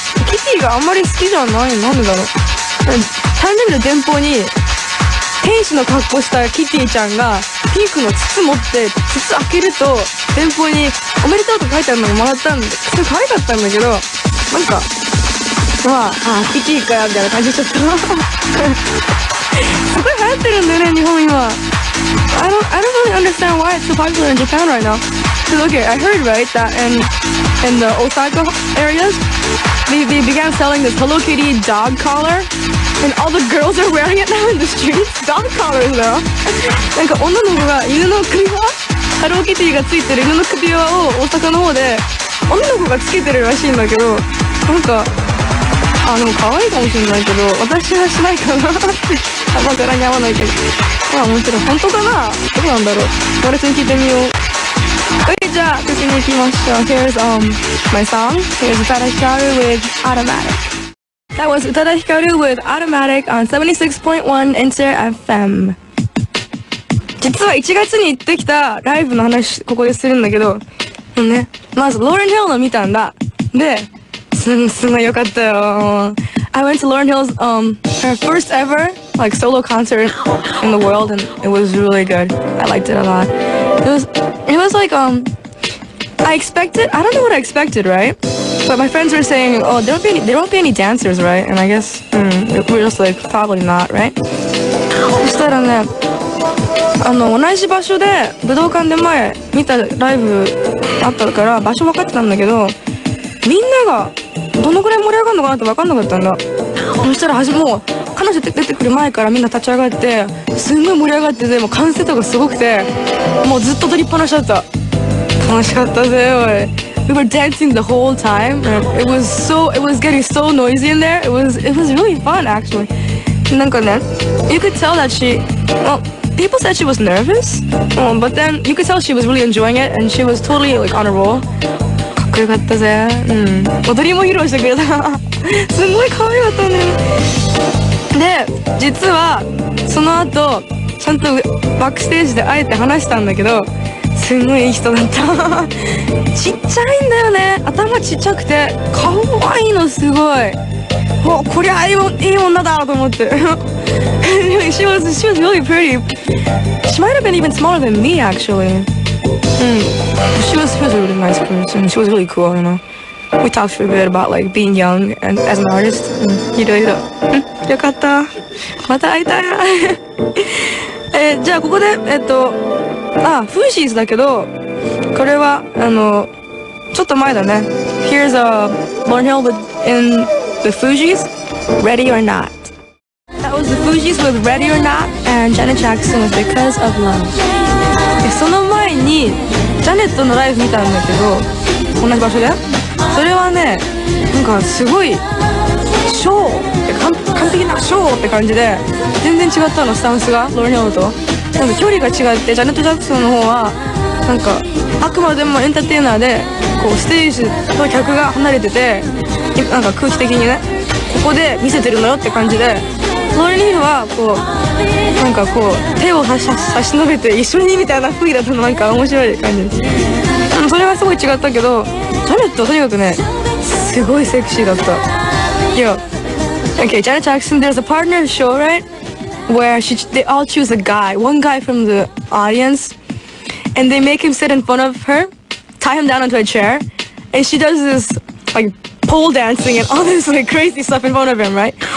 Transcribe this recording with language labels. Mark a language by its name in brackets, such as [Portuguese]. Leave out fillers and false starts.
[Japanese] キティがあんまり好きじゃない。なんでだろう。誕生日の前方に天使の格好したキティちゃんがピンクの筒持って、筒開けると前方におめでとうと書いてあるのをもらったんで、すごい可愛かったんだけど、なんか、まあ、ああキティかよみたいな感じしちゃった。すごい流行ってるんだよね、日本今。 [English] I don't really understand why it's so popular in Japan right now. Cause okay, I heard right that in the Osaka areas, they began selling this Hello Kitty dog collar, and all the girls are wearing it now in the streets. Dog collars though. [Japanese] なんか女の子が犬の首輪、ハローキティがついてる犬の首輪を大阪の方で女の子がつけてるらしいんだけど、なんか。あ、でも可愛いかもしれないけど、私はしないかなって。鎌倉に合わないけど。まあもちろん本当かな、どうなんだろう。友達に聞いてみよう。 OK、じゃあ、次に行きましょう。 [English] Here's, my song. Here's Utada Hikaru with Automatic. That was Utada Hikaru with Automatic on 76.1 Inter FM. [Japanese] 実は1月に行ってきたライブの話、ここでするんだけど、ね、まず、Lauryn Hill の見たんだ。で、すごい良かったよ。 [English] I went to Lauryn Hill's her first ever like solo concert in the world and it was really good. I liked it a lot. It was like I expected, I don't know what I expected, right? But my friends were saying, oh, there won't be any dancers, right? And I guess we're just like probably not, right? [Japanese] そしたらね、同じ場所で武道館で前見たライブあったから場所分かってたんだけど、みんながどのくらい盛り上がるのかなって分かんなかったんだ。そしたらもう彼女出てくる前からみんな立ち上がってすんごい盛り上がってて、もう歓声とかすごくて、もうずっと踊りっぱなしだった。楽しかったぜ、おい。 [English] We were dancing the whole time. It was getting so noisy in there. It was really fun actually. なんかね、 You could tell that she, well, people said she was nervous, but then you could tell she was really enjoying it and she was totally like on a roll. [Japanese] よかったぜ。踊りも披露してくれた。すごい可愛かったね。で、実はその後ちゃんとバックステージで会えて話したんだけど、すごいいい人だった。ちっちゃいんだよね、頭ちっちゃくて可愛いの、すごい。お、こりゃいい女だと思って。 [English] she was really pretty. She might have been even smaller than me actuallyShe was a really nice person. She was really cool, you know. We talked for a bit about like being young and as an artist. [Japanese] いろいろ。よかった。また会いたい。じゃあここで、フーシーズだけど、これはちょっと前だね。 [English] Here's a Lauryn Hill in the Fugees, Ready or Not. That was the Fugees with Ready or Not and Janet Jackson with Because of Love. [Japanese] その前にジャネットのライブ見たんだけど、同じ場所で、それはね、なんかすごいショー、完璧なショーって感じで、全然違ったの、スタンスが。ロールニョウとなんか距離が違って、ジャネット・ジャクソンの方はなんかあくまでもエンターテイナーで、こうステージと客が離れてて、なんか空気的にね、ここで見せてるのよって感じで、ロールニョウはこうなんかこう手を差し伸べて一緒にみたいな雰囲気だったの、なんか面白い感じです。でもそれはすごい違ったけど、ジャネットはとにかくね、すごいセクシーだった。 [English] いや、 OK、 ジャネット・ジャクソン、 There's a partner show, right? Where they all choose a guy, one guy from the audience, and they make him sit in front of her, tie him down onto a chair, and she does this like pole dancing and all this like crazy stuff in front of him, right?